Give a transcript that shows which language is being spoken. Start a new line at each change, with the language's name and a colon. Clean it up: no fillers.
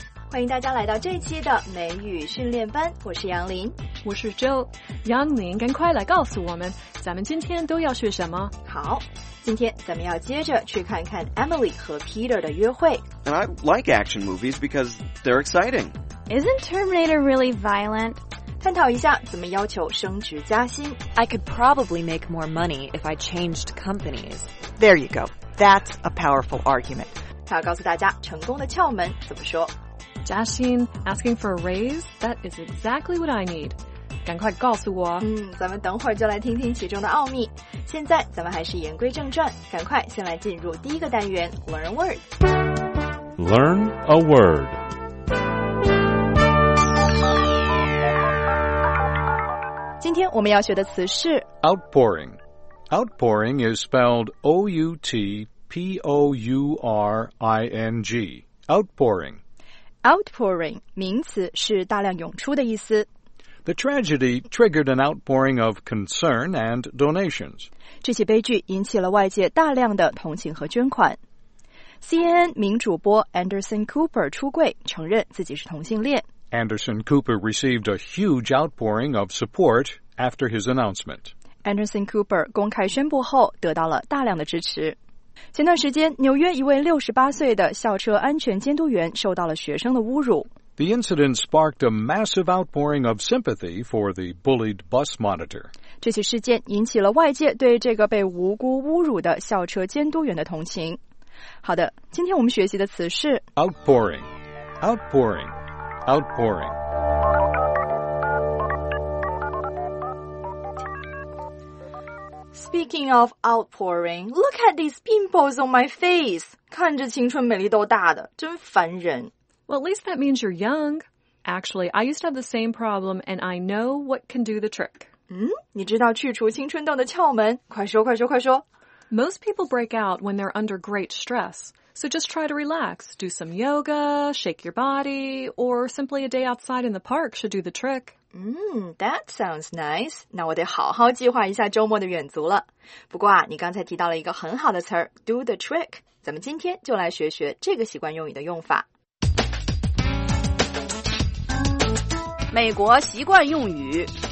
Chinese: 欢迎大家来到这期的美语训练班，我是杨林，我是 Joe。杨林，赶快来告诉我们，咱们今天都要学什么？好，今天咱们要接着去看看 Emily 和 Peter 的约会。
English: And I like action movies because they're exciting. Isn't Terminator really violent?
Chinese: 探讨一下怎么要求升职加薪。
English: I could probably make more money if I changed companies. There you go. That's a powerful argument.
Chinese: 他要告诉大家成功的窍门怎么说。
English: 加薪 asking for a raise, that is exactly what I need.
Chinese: 赶快告诉我。咱们等会儿就来听听其中的奥秘。现在咱们还是言归正传，赶快先来进入第一个单元 Learn Word。
English: Learn a word. Outpouring. Outpouring is spelled O-U-T-P-O-U-R-I-N-G. Outpouring.
Chinese: Outpouring, 名词，是大量涌出的意思。
English: The tragedy triggered an outpouring of concern and donations.
Chinese: 这起悲剧引起了外界大量的同情和捐款。 CNN 名主播 Anderson Cooper 出柜，承认自己是同性恋。
English: Anderson Cooper received a huge outpouring of support after his announcement.
Chinese: Anderson Cooper 公开宣布后，得到了大量的支持。前段时间，纽约一位68岁的校车安全监督员受到了学生的侮辱。
English: The incident sparked a massive outpouring of sympathy for the bullied bus monitor.
Chinese: 这起事件引起了外界对这个被无辜侮辱的校车监督员的同情。好的，今天我们学习的词是
English: outpouring, outpouring, outpouring. Speaking of outpouring, look at these pimples on my face.
Chinese: 看着青春美丽痘大的，真烦人。
English: Well, at least that means you're young. Actually, I used to have the same problem, and I know what can do the trick.
Chinese: 你知道去除青春痘的窍门？快说，快说，快说。
English: Most people break out when they're under great stress. So just try to relax. Do some yoga, shake your body, or simply a day outside in the park should do the trick. That sounds nice.
Chinese: 那我得好好计划一下周末的远足了。不过啊，你刚才提到了一个很好的词儿 ,do the trick. 咱们今天就来学学这个习惯用语的用法。美国习惯用语